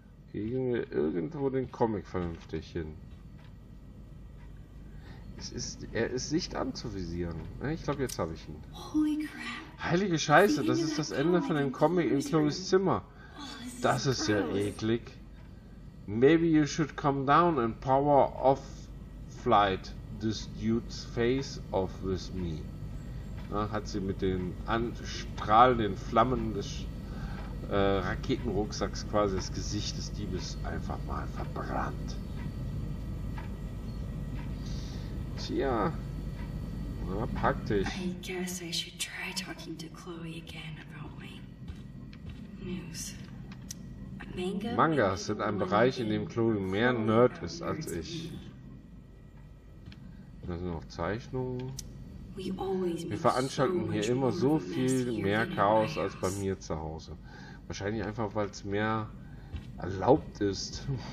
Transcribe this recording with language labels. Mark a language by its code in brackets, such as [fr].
[de] Kriegen wir irgendwo den Comic vernünftig hin? Er ist nicht anzuvisieren. Ich glaube, jetzt habe ich ihn. Heilige Scheiße, das ist das Ende von dem Comic in Chloes Zimmer. Das ist ja eklig. [en] Maybe you should come down and power off flight this dude's face off with me. [de] Na, hat sie mit den strahlenden Flammen des Raketenrucksacks quasi das Gesicht des Diebes einfach mal verbrannt. Tja. Na, pack dich. [en] I guess I should try talking to Chloe again about my news. [de] Mangas sind ein Bereich, in dem Chloe mehr Nerd ist als ich. Da sind noch Zeichnungen. Wir veranstalten hier immer so viel mehr Chaos als bei mir zu Hause. Wahrscheinlich einfach, weil es mehr erlaubt ist.